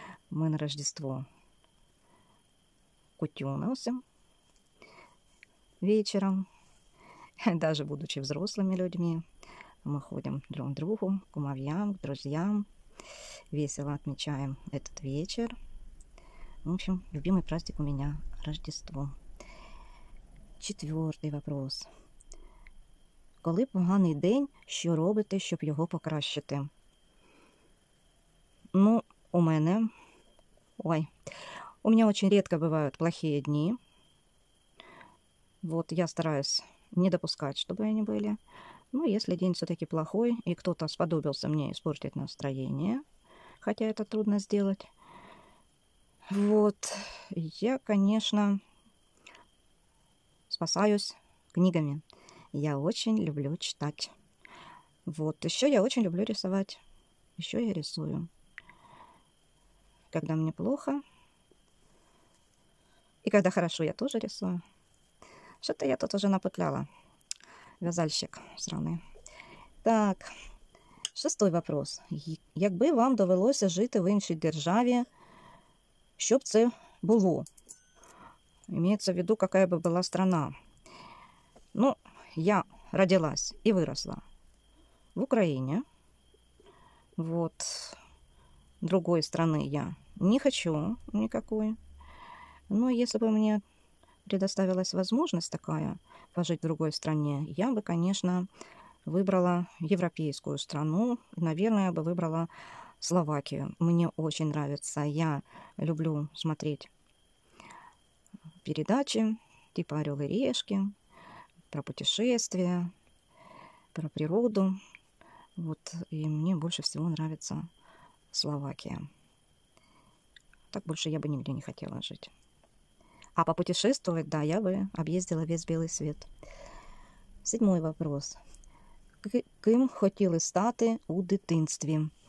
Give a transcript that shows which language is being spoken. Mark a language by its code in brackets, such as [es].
[ru] Мы на Рождество кутю носим вечером, даже будучи взрослыми людьми. Мы ходим друг к другу, к кумовьям, к друзьям, весело отмечаем этот вечер. В общем, любимый праздник у меня – Рождество. Четвертый вопрос. [uk] Коли поганий день, що робити, щоб його покращити? Ну, у мене… [ru] Ой, у меня очень редко бывают плохие дни. Вот я стараюсь не допускать, чтобы они были. Ну, если день все-таки плохой, и кто-то сподобился мне испортить настроение, хотя это трудно сделать. Вот, я, конечно, спасаюсь книгами. Я очень люблю читать. Вот, еще я очень люблю рисовать. Еще я рисую. Когда мне плохо, и когда хорошо, я тоже рисую. Что-то я тут уже напутляла. Вязальщик сраный. Так, шестой вопрос. [uk] Якби вам довелося жити в іншій державі, що б це було? [ru] Имеется в виду, какая бы была страна. Ну, я родилась и выросла в Украине. Вот. Другой страны я не хочу никакой. Но если бы мне предоставилась возможность такая пожить в другой стране, я бы, конечно, выбрала европейскую страну. Наверное, я бы выбрала Словакию. Мне очень нравится. Я люблю смотреть передачи типа «Орел и Решки», про путешествия, про природу. Вот, и мне больше всего нравится Словакия. Так больше я бы нигде не хотела жить. А попутешествовать, да, я бы объездила весь белый свет. Седьмой вопрос. [uk] Ким хотіли стати у дитинстві?